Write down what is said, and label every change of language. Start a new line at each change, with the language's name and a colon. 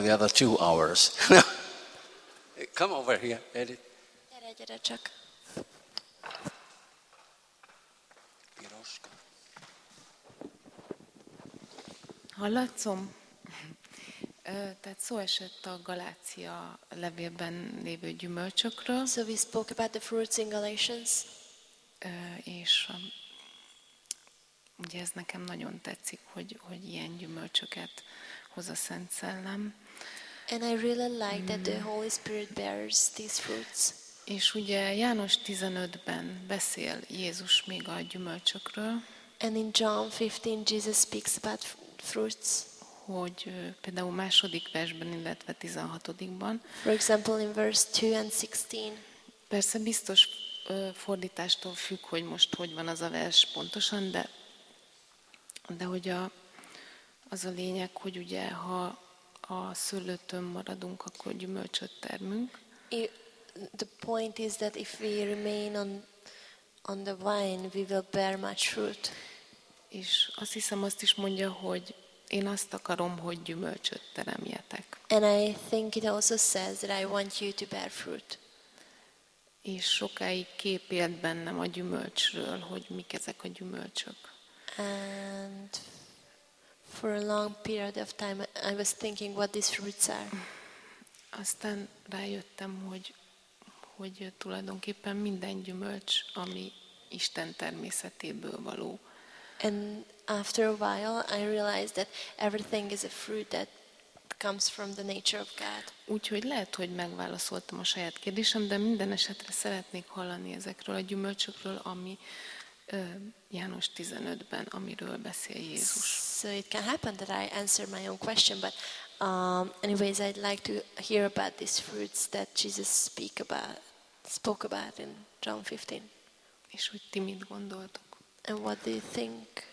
English: The other 2 hours. Come over here, Edith.
Hungarian: Gyere csak. Piroska. Hallatszom? Tehát szó esett a Galácia levélben lévő gyümölcsökről.
English: So we spoke about the fruits in Galatians.
Hungarian: És ugye ez nekem nagyon tetszik, hogy ilyen gyümölcsöket hoz a Szent Szellem.
English: And I really like that the Holy Spirit bears these fruits.
Hungarian: És ugye János 15-ben beszél Jézus még a gyümölcsökről.
English: And in John 15 Jesus speaks about fruits.
Hungarian: Hogy például második versben, illetve 16-ban.
English: For example, in verse 2 and 16.
Hungarian: Persze biztos fordítástól függ, hogy most hogy van az a vers pontosan, de hogy az a lényeg, hogy ugye ha a szőlőtön maradunk, akkor gyümölcsöt termünk.
English: The point is that if we remain on the vine, we will bear much fruit.
Hungarian: És azt hiszem, azt is mondja, hogy én azt akarom, hogy gyümölcsöt teremjetek.
English: And I think it also says that I want you to bear fruit.
Hungarian: És sokáig kép élt bennem a gyümölcsről, hogy mik ezek a gyümölcsök.
English: And for a long period of time I was thinking what these fruits are.
Hungarian: Aztán rájöttem, hogy tulajdonképpen minden gyümölcs, ami Isten természetéből való.
English: And after a while I realized that everything is a fruit that comes from the nature of God.
Hungarian: Úgyhogy lehet, hogy megválaszoltam a saját kérdésem, de minden esetre szeretnék hallani ezekről a gyümölcsökről, ami János 15-ben, amiről beszél Jézus.
English: So it can happen that I answer my own question, but anyways, I'd like to hear about these fruits that Jesus spoke about in John 15.
Hungarian: És hogy ti mit gondoltok?
English: And what do you think?